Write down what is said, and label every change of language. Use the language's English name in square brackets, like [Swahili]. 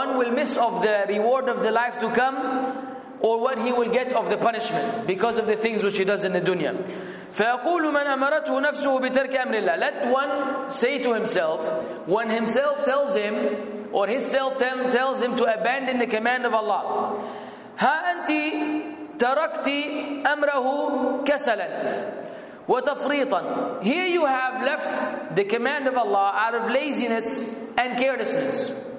[English] miss of the reward of the life to come, or what he will get of the punishment because of the things which he does in the dunya. [Arabic] فيقول من أمرته نفسه بترك أمر الله. [English] Let one say to himself, when himself tells him, or his self tells him to abandon the command of Allah. [Arabic] ها أنت تركت أمره كسلا وَتَفْرِيطًا. [English] Here you have left the command of Allah out of laziness and carelessness.